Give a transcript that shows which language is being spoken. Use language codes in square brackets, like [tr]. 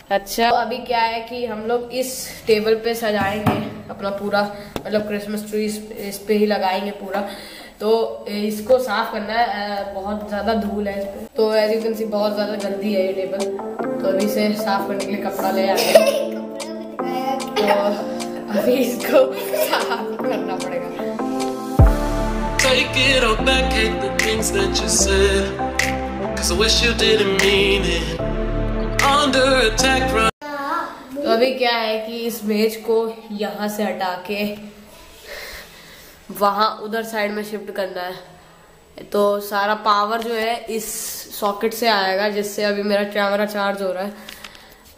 [hi] अच्छा, तो अभी क्या है कि हम लोग इस टेबल पे सजाएंगे अपना पूरा, मतलब क्रिसमस ट्री इस पे ही लगाएंगे पूरा। तो इसको साफ करना है, बहुत ज्यादा धूल है इस पे। तो [en] as you can see [hi] बहुत ज्यादा गंदी है ये टेबल, तो अभी से साफ करने के लिए कपड़ा ले आए। तो अभी इसको साफ करना पड़ेगा। [en] Take it all back, hate the things that you said, 'cause I wish you didn't mean it. Under attack, run. [hi] तो अभी क्या है कि इस मेज को यहाँ से हटा के वहाँ उधर साइड में शिफ्ट करना है। तो सारा पावर जो है इस सॉकेट से आएगा, जिससे अभी मेरा कैमरा चार्ज हो रहा है।